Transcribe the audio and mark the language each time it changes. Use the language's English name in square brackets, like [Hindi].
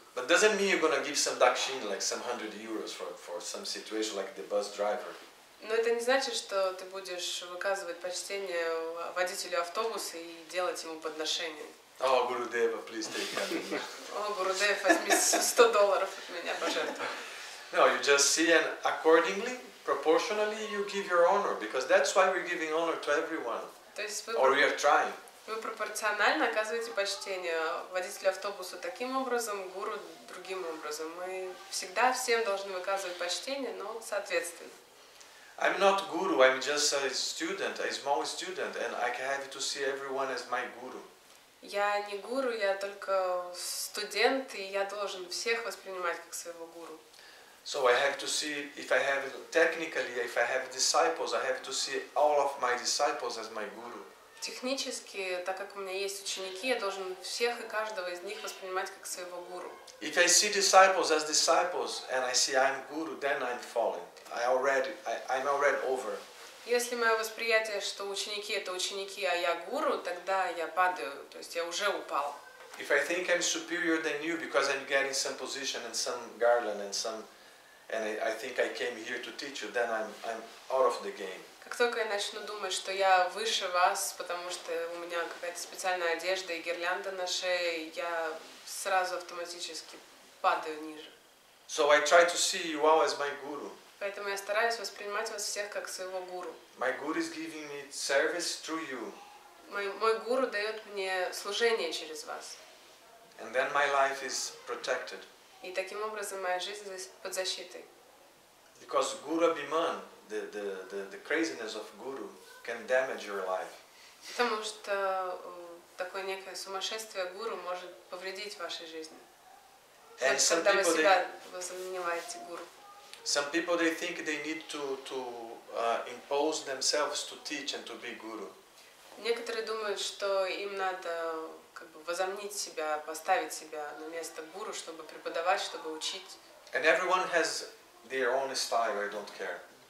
[English] But doesn't mean you're gonna give some dakshin, like some €100 for some situation, like the bus driver. [Russian] Но это не значит, что ты будешь выказывать почтение водителю автобуса и делать ему подношение. [English] Oh, Gurudeva, please take care of me. Oh, Gurudeva, [Russian] возьми $100 от меня, пожалуйста. [English] No, you just see and accordingly, proportionally, you give your honor, because that's why we're giving honor to everyone. [Russian] То есть вы. [English] Or we are trying. [Russian] Вы пропорционально оказываете почтение водителю автобуса таким образом, гуру другим образом. Мы всегда всем должны выказывать почтение, но соответственно. [English] I'm not guru, I'm just a student, a small student, and I can have to see everyone as my guru. [Russian] Я не гуру, я только студент, и я должен всех воспринимать как своего гуру. [English] So I have to see, if I have, technically, if I have disciples, I have to see all of my disciples as my guru. [Russian] Технически, так как у меня есть ученики, я должен всех и каждого из них воспринимать как своего гуру. [English] If I see disciples as disciples and I see I'm guru, then I'm falling. I'm already over. [Russian] Если мое восприятие, что ученики это ученики, а я гуру, тогда я падаю, то есть я уже упал. [English] If I think I'm superior than you because I'm getting some position and some garland and some and I think I came here to teach you, then I'm out of the game. [Russian] Как только я начну думать, что я выше вас, потому что у меня какая-то специальная одежда и гирлянда на шее, я сразу автоматически падаю ниже. [English] So I try to see you all as my guru. [Russian] Поэтому я стараюсь воспринимать вас всех как своего гуру. [English] My guru is giving me service through you. [Russian] Мой гуру дает мне служение через вас. [English] And then my life is protected. [Russian] И таким образом моя жизнь под защитой. [English] Because guru abhiman, the craziness of guru, can damage your life. [Russian] Потому что такое некое сумасшествие гуру может повредить вашей жизни. [English] And [Russian] когда [English] some [Russian] вы [English] people, [Russian] себя [English] they... [Russian] воспринимаете гуру. [English] Some people they think they need to impose themselves to teach and to be guru. [Russian] Некоторые думают, что им надо как бы возомнить себя, поставить себя на место гуру, чтобы преподавать, чтобы учить. [English] And everyone has their own style, I don't care.